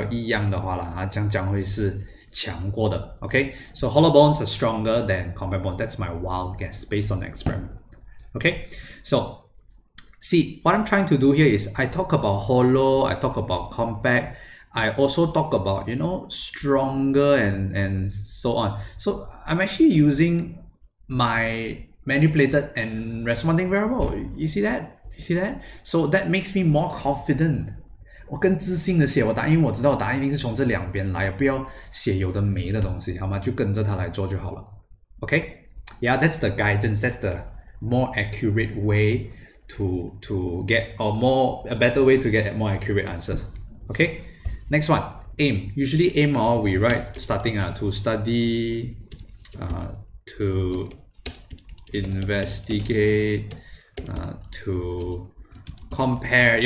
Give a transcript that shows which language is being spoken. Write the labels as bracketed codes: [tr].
[zh] 一定要公平的去，就你不可能说小鸟的那个体质加，就是比起这个大笨象的体质这样子就不公平。我们说要一样的话啦，这样讲会是强过的。 [en] Okay, so hollow bones are stronger than compact bones. That's my wild guess based on the experiment. Okay, so see, what I'm trying to do here is I talk about hollow, I talk about compact, I also talk about, you know, stronger and so on. So I'm actually using my manipulated and responding variable. You see that? So that makes me more confident [zh] 我更自信的写，我答应，我知道我答案一定是从这两边来，不要写有的没的东西，好吗？就跟着他来做就好了。OK， [en] Yeah, that's the guidance. That's the more accurate way to get or more a better way to get more accurate answers. OK, next one, aim. Usually aim or we write starting to study, to investigate, to compare.